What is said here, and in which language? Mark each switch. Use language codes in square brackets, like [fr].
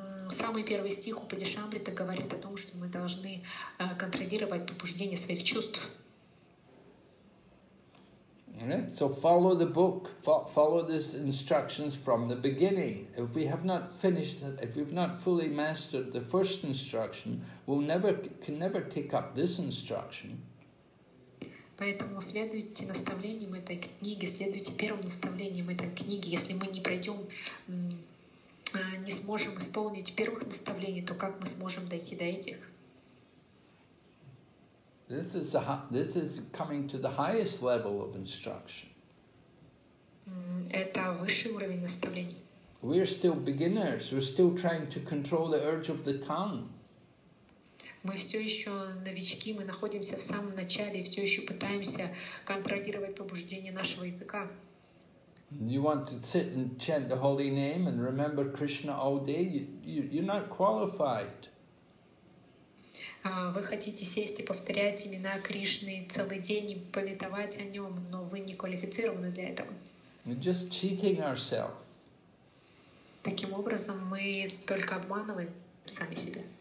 [ru] Самый первый стих Упадешамрита говорит о том, что мы должны контролировать побуждение своих чувств. [en] Right? So follow the book, follow these instructions from the beginning. If we have not finished, if we've not fully mastered the first instruction, we'll never can never take up this instruction. [ru] Поэтому следуйте наставлениям этой книги, следуйте первым наставлениям этой книги. Если мы не пройдем, не сможем исполнить первых наставлений, то как мы сможем дойти до этих? [en] This is coming to the highest level of instruction. [ru] Это высший уровень наставлений. [en] We are still beginners. We're still trying to control the urge of the tongue. [ru] Мы все еще новички. Мы находимся в самом начале и все еще пытаемся контролировать побуждение нашего языка. [en] You want to sit and chant the holy name and remember Krishna all day? You're not qualified. [ru] Вы хотите сесть и повторять имена Кришны целый день и памятовать о нем, но вы не квалифицированы для этого. [en] We're just cheating ourselves. [ru] Таким образом, мы только обманываем сами себя.